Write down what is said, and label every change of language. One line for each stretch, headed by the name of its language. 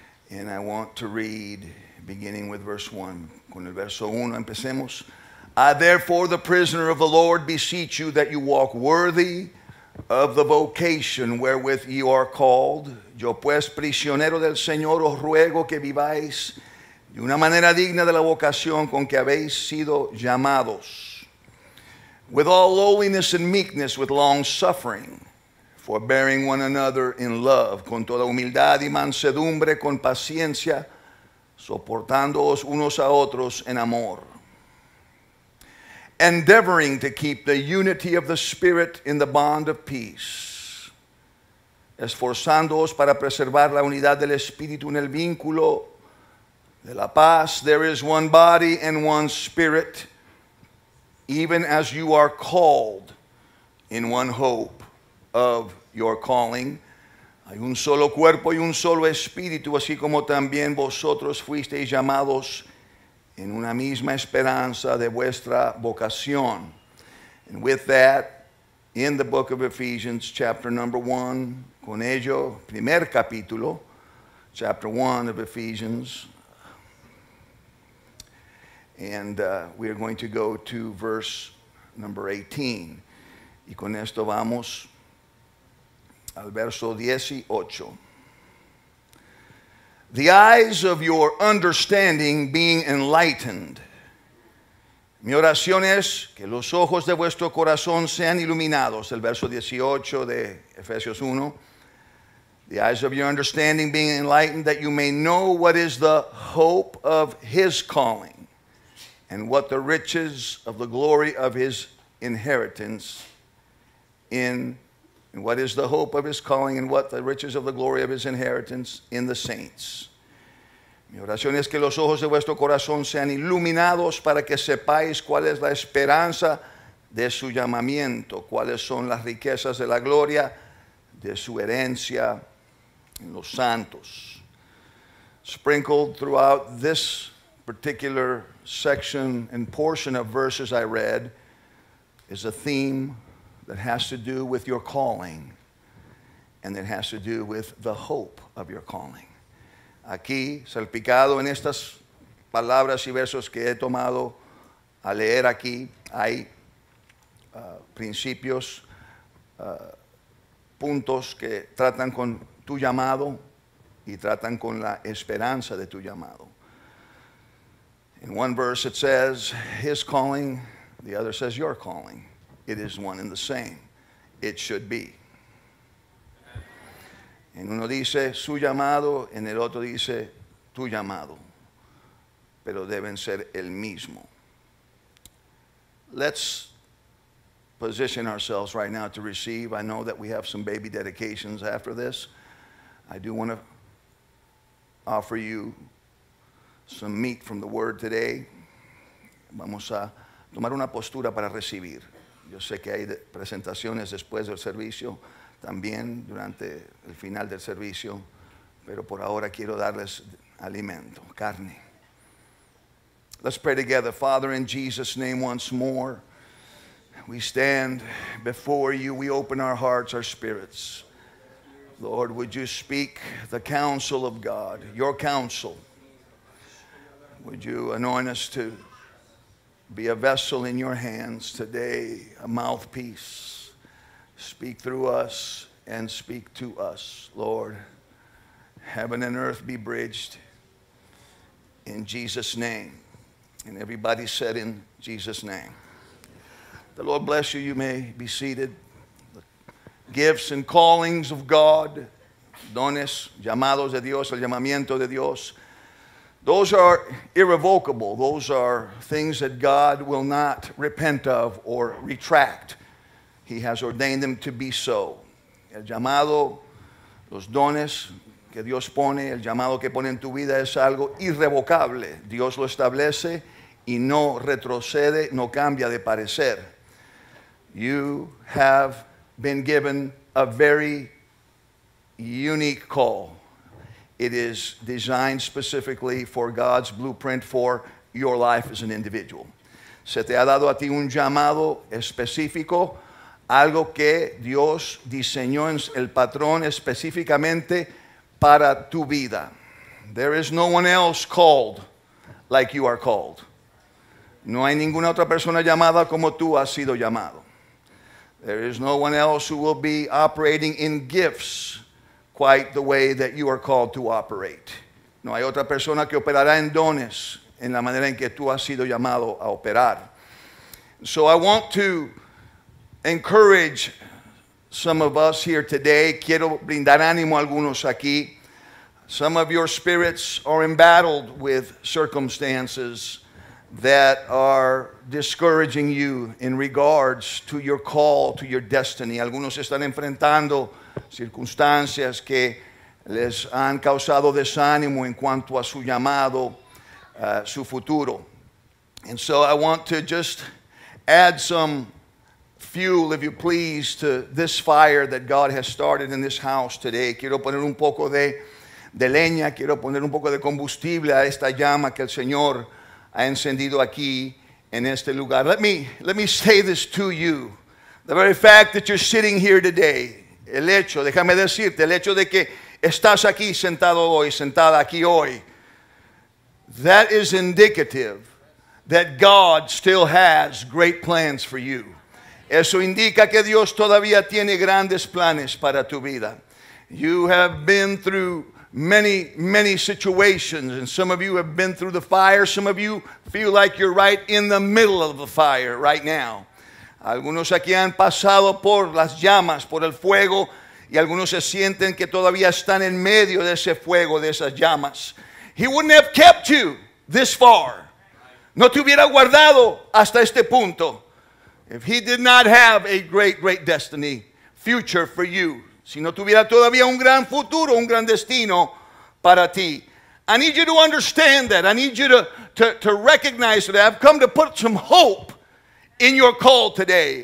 English: And I want to read beginning with verse 1.
Spanish: Con el verso 1 empecemos.
English: I therefore, the prisoner of the Lord, beseech you that you walk worthy of the vocation wherewith you are called.
Spanish: Yo pues, prisionero del Señor, os ruego que viváis de una manera digna de la vocación con que habéis sido llamados.
English: With all lowliness and meekness, with long suffering, forbearing one another in love,
Spanish: con toda humildad y mansedumbre, con paciencia, soportándoos unos a otros en amor.
English: Endeavoring to keep the unity of the Spirit in the bond of peace.
Spanish: Esforzándoos para preservar la unidad del Espíritu en el vínculo de la paz.
English: There is one body and one Spirit, even as you are called in one hope of your calling.
Spanish: Hay un solo cuerpo y un solo Espíritu, así como también vosotros fuisteis llamados en una misma esperanza de vuestra vocación.
English: And with that, in the book of Ephesians, chapter number 1,
Spanish: con ello, primer capítulo,
English: chapter 1 of Ephesians. And we are going to go to verse number 18.
Spanish: Y con esto vamos al verso 18.
English: The eyes of your understanding being enlightened.
Spanish: Mi oración es que los ojos de vuestro corazón sean iluminados. El verso 18 de Efesios 1.
English: The eyes of your understanding being enlightened, that you may know what is the hope of his calling and what the riches of the glory of his inheritance in, and what is the hope of his calling and what the riches of the glory of his inheritance in the saints.
Spanish: Mi oración es que los ojos de vuestro corazón sean iluminados para que sepáis cuál es la esperanza de su llamamiento, cuáles son las riquezas de la gloria de su herencia en los santos.
English: Sprinkled throughout this particular section and portion of verses I read is a theme that has to do with your calling, and it has to do with the hope of your calling.
Spanish: Aquí, salpicado en estas palabras y versos que he tomado a leer aquí, hay principios, puntos que tratan con tu llamado y tratan con la esperanza de tu llamado.
English: In one verse it says, his calling, the other says, your calling. It is one and the same. It should be.
Spanish: En uno dice su llamado, en el otro dice tu llamado, pero deben ser el mismo.
English: Let's position ourselves right now to receive. I know that we have some baby dedications after this. I do want to offer you some meat from the word today.
Spanish: Vamos a tomar una postura para recibir. Yo sé que hay presentaciones después del servicio, también durante el final del servicio, pero por ahora quiero darles alimento, carne.
English: Let's pray together. Father, in Jesus' name once more, we stand before you. We open our hearts, our spirits. Lord, would you speak the counsel of God, your counsel. Would you anoint us to be a vessel in your hands today, a mouthpiece. Speak through us and speak to us, Lord. Heaven and earth be bridged in Jesus' name. And everybody said in Jesus' name. The Lord bless you. You may be seated. The gifts and callings of God,
Spanish: dones, llamados de Dios,
English: el llamamiento de Dios, those are irrevocable. Those are things that God will not repent of or retract. He has ordained them to be so.
Spanish: El llamado, los dones que Dios pone, el llamado que pone en tu vida es algo irrevocable. Dios lo establece y no retrocede, no cambia de parecer.
English: You have been given a very unique call. It is designed specifically for God's blueprint for your life as an individual.
Spanish: Se te ha dado a ti un llamado específico algo que Dios diseñó en el patrón específicamente para tu vida.
English: There is no one else called like you are called.
Spanish: No hay ninguna otra persona llamada como tú has sido llamado.
English: There is no one else who will be operating in gifts quite the way that you are called to operate.
Spanish: No hay otra persona que operará en dones en la manera en que tú has sido llamado a operar.
English: So I want to encourage some of us here today.
Spanish: Quiero brindar ánimo a algunos aquí.
English: Some of your spirits are embattled with circumstances that are discouraging you in regards to your call, to your destiny.
Spanish: Algunos están enfrentando circunstancias que les han causado desánimo en cuanto a su llamado, su futuro.
English: And so I want to just add some fuel, if you please, to this fire that God has started in this house today.
Spanish: Quiero poner un poco de leña, quiero poner un poco de combustible a esta llama que el Señor ha encendido aquí en este lugar.
English: Let me say this to you. The very fact that you're sitting here today,
Spanish: el hecho, déjame decirte, el hecho de que estás aquí sentado hoy, sentada aquí hoy,
English: that is indicative that God still has great plans for you.
Spanish: Eso indica que Dios todavía tiene grandes planes para tu vida.
English: You have been through many, many situations, and some of you have been through the fire. Some of you feel like you're right in the middle of the fire right now.
Spanish: Algunos aquí han pasado por las llamas, por el fuego, y algunos se sienten que todavía están en medio de ese fuego, de esas llamas.
English: He wouldn't have kept you this far.
Spanish: No te hubiera guardado hasta este punto.
English: If he did not have a great, great destiny, future for you.
Spanish: Si no tuviera todavía un gran futuro, un gran destino para ti.
English: I need you to understand that. I need you to recognize that. I've come to put some hope in your call today.